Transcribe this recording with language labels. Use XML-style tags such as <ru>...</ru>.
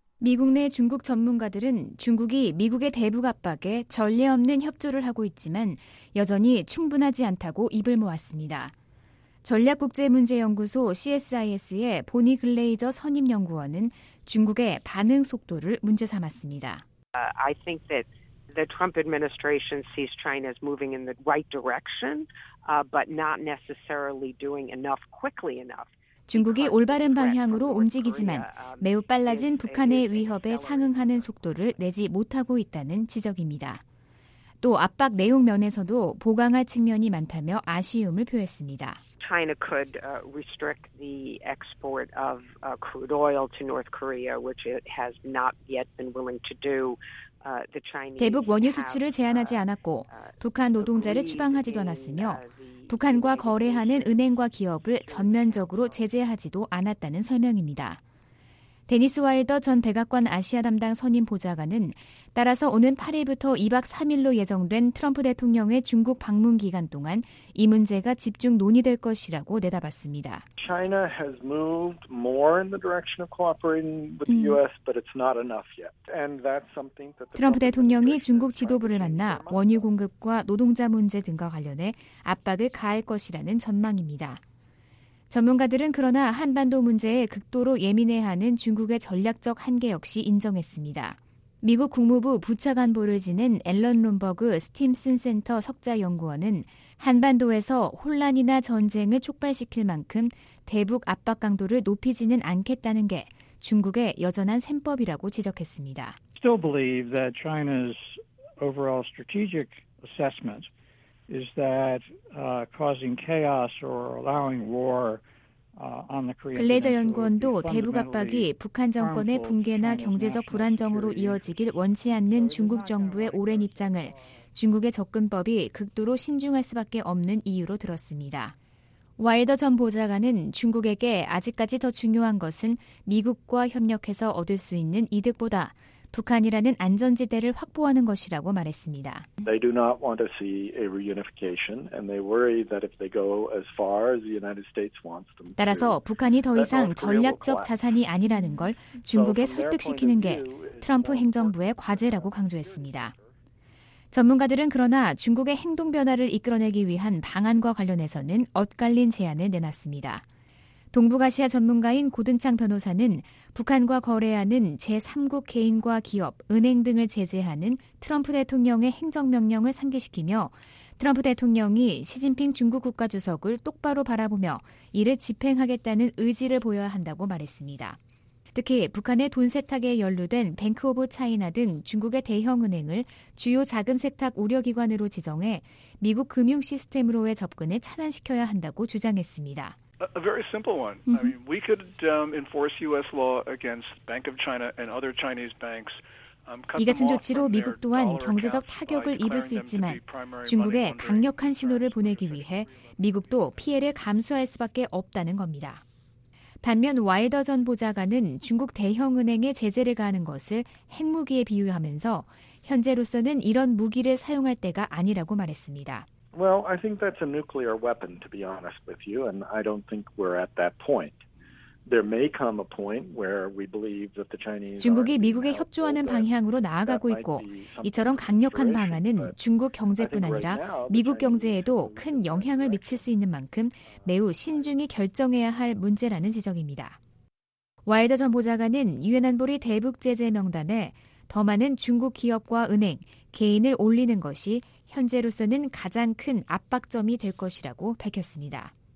<ko>미국 내 중국 전문가들은 중국이 미국의 대북 압박에 전례 없는 협조를 하고 있지만 여전히 충분하지 않다고 입을 모았습니다. 전략국제문제연구소 CSIS의 보니 글레이저 선임연구원은 중국의 반응 속도를 문제 삼았습니다.</ko> <en>I think that the Trump administration sees China as moving in the right direction, but not necessarily doing enough quickly enough.</en> <ko>중국이 올바른 방향으로 움직이지만 매우 빨라진 북한의 위협에 상응하는 속도를 내지 못하고 있다는 지적입니다. 또 압박 내용 면에서도 보강할 측면이 많다며 아쉬움을 표했습니다.</ko> <en>China could restrict the export of crude oil to North Korea, which it has not yet been willing to do.</en> <ko>대북 원유 수출을 제한하지 않았고 북한 노동자를 추방하지도 않았으며 북한과 거래하는 은행과 기업을 전면적으로 제재하지도 않았다는 설명입니다. 데니스 와일더 전 백악관 아시아 담당 선임 보좌관은 따라서 오는 8일부터 2박 3일로 예정된 트럼프 대통령의 중국 방문 기간 동안 이 문제가 집중 논의될 것이라고 내다봤습니다.</ko> <en>China has moved more in the direction of cooperating with the US, but it's not enough yet. And that's something that</en> <ko>트럼프 대통령이 중국 지도부를 만나 원유 공급과 노동자 문제 등과 관련해 압박을 가할 것이라는 전망입니다. 전문가들은 그러나 한반도 문제에 극도로 예민해하는 중국의 전략적 한계 역시 인정했습니다. 미국 국무부 부차관보를 지낸 앨런 룸버그 스팀슨 센터 석좌 연구원은 한반도에서 혼란이나 전쟁을 촉발시킬 만큼 대북 압박 강도를 높이지는 않겠다는 게 중국의 여전한 셈법이라고 지적했습니다.</ko> <en>Still believe that China's overall strategic assessment is that causing chaos or allowing war on the Korean.</en> <ko>글레이저 연구원도 대북 압박이 북한 정권의 붕괴나 경제적 불안정으로 이어지길 원치 않는 중국 정부의 오랜 입장을 중국의 접근법이 극도로 신중할 수밖에 없는 이유로 들었습니다. 와일더 전 보좌관은 중국에게 아직까지 더 중요한 것은 미국과 협력해서 얻을 수 있는 이득보다 북한이라는 안전지대를 확보하는 것이라고 말했습니다.</ko> <en>They do not want to see a reunification and they worry that if they go as far as the United States wants them to.</en> <ko>따라서 북한이 더 이상 전략적 자산이 아니라는 걸 중국에 설득시키는 게 트럼프 행정부의 과제라고 강조했습니다. 전문가들은 그러나 중국의 행동 변화를 이끌어내기 위한 방안과 관련해서는 엇갈린 제안을 내놨습니다. 동북아시아 전문가인 고든창 변호사는 북한과 거래하는 제3국 개인과 기업, 은행 등을 제재하는 트럼프 대통령의 행정명령을 상기시키며 트럼프 대통령이 시진핑 중국 국가주석을 똑바로 바라보며 이를 집행하겠다는 의지를 보여야 한다고 말했습니다. 특히 북한의 돈 세탁에 연루된 뱅크 오브 차이나 등 중국의 대형은행을 주요 자금 세탁 우려기관으로 지정해 미국 금융 시스템으로의 접근을 차단시켜야 한다고 주장했습니다.</ko> <en>A very simple one. I mean, we could enforce U.S. law against Bank of China and other Chinese banks.</en> <ko>이 같은 조치로 미국 또한 경제적 타격을 입을 수 있지만 중국에 강력한 신호를 보내기 위해 미국도 피해를 감수할 수밖에 없다는 겁니다. 반면 와이더 전 보좌관은 중국 대형은행의 제재를 가하는 것을 핵무기에 비유하면서 현재로서는 이런 무기를 사용할 때가 아니라고 말했습니다.</ko> <en>Well, I think that's a nuclear weapon, to be honest with you, and I don't think we're at that point. There may come a point where we believe that the Chinese</en> <ko>중국이 미국에 협조하는 방향으로 나아가고 있고 이처럼 강력한 방안은 중국 경제뿐 아니라 미국 경제에도 큰 영향을 미칠 수 있는 만큼 매우 신중히 결정해야 할 문제라는 지적입니다. 와이더 전 보좌관은 유엔 안보리 대북 제재 명단에 더 많은 중국 기업과 은행, 개인을 올리는 것이 현재로서는 가장 큰 압박점이 될 것이라고 밝혔습니다.</ko>